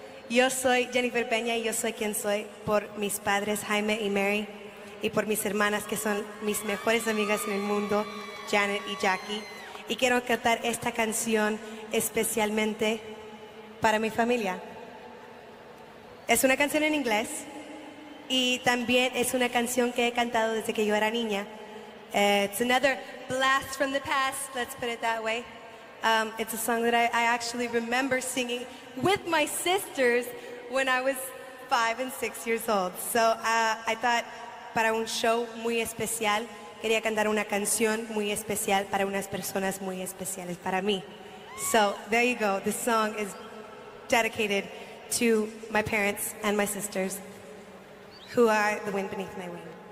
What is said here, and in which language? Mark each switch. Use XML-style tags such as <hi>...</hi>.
<es>Yo soy Jennifer Peña y yo soy quien soy por mis padres Jaime y Mary y por mis hermanas que son mis mejores amigas en el mundo, Janet y Jackie. Y quiero cantar esta canción especialmente para mi familia. Es una canción en inglés y también es una canción que he cantado desde que yo era niña.</es> <en>It's another blast from the past, let's put it that way. It's a song that I actually remember singing with my sisters when I was 5 and 6 years old. So I thought</en> <es>para un show muy especial, quería cantar una canción muy especial para unas personas muy especiales para mí.</es> <en>So there you go, the song is dedicated to my parents and my sisters who are the wind beneath my wing.</en>